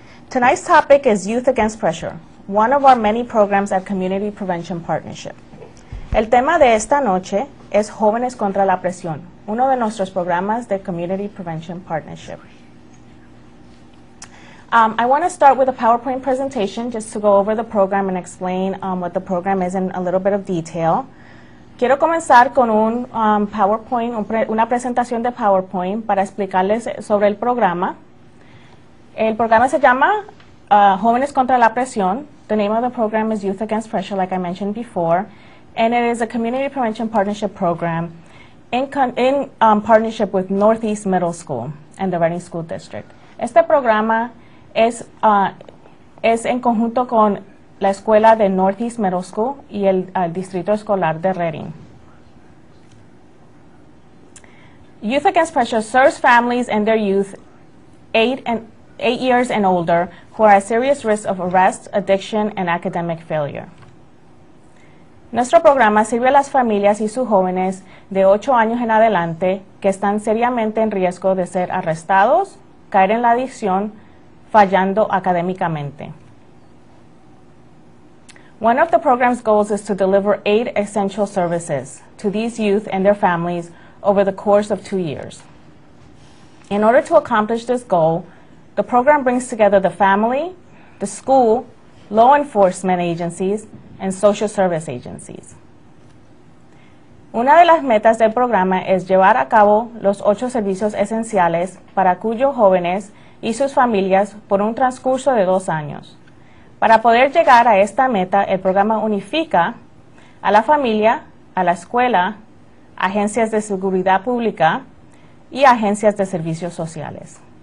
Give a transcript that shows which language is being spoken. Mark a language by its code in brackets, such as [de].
[en] Tonight's topic is Youth Against Pressure, one of our many programs at Community Prevention Partnership. [es] El tema de esta noche es Jóvenes contra la Presión, uno de nuestros programas de Community Prevention Partnership. [en] I want to start with a PowerPoint presentation just to go over the program and explain what the program is in a little bit of detail. [es] Quiero comenzar con un PowerPoint, una presentación de PowerPoint para explicarles sobre el programa. El programa se llama Jóvenes contra la Presión. [en] The name of the program is Youth Against Pressure, like I mentioned before, and it is a community prevention partnership program in partnership with Northeast Middle School and the Reading School District. [es] Este programa es en conjunto con la escuela de Northeast Middle School y el distrito escolar de Reading. [en] Youth Against Pressure serves families and their youth eight years and older who are at serious risk of arrest, addiction, and academic failure. [es] Nuestro programa sirve a las familias y sus jóvenes de 8 años en adelante que están seriamente en riesgo de ser arrestados, caer en la adicción, fallando académicamente. [en] One of the program's goals is to deliver 8 essential services to these youth and their families over the course of 2 years. In order to accomplish this goal, the program brings together the family, the school, law enforcement agencies, and social service agencies. [es] Una de las metas del programa es llevar a cabo los 8 servicios esenciales para cuyos jóvenes y sus familias por un transcurso de 2 años. Para poder llegar a esta meta, el programa unifica a la familia, a la escuela, agencias de seguridad pública y agencias de servicios sociales.